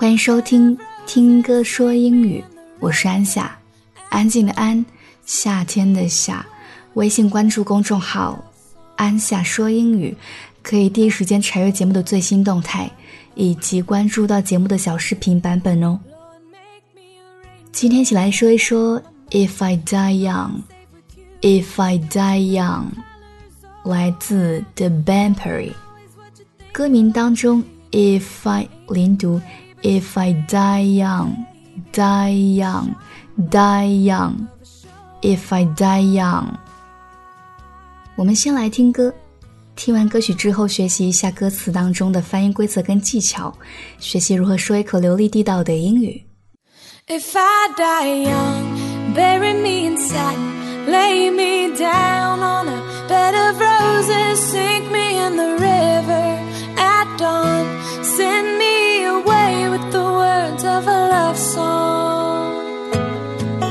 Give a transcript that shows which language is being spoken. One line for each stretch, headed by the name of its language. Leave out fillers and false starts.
Chinese: 欢迎收听听歌说英语，我是安夏，安静的安，夏天的夏。微信关注公众号安夏说英语，可以第一时间查阅节目的最新动态，以及关注到节目的小视频版本哦。今天一起来说一说 If I die young, If I die young, 来自 The Bampery。歌名当中 If I 连读 If I die young, die young, die young, If I die young。我们先来听歌，听完歌曲之后学习一下歌词当中的发音规则跟技巧，学习如何说一口流利地道的英语。
English: If I die young, bury me in satin, lay me down on a bed of roses, sink me in the river at dawn, send me away with the words of a love song.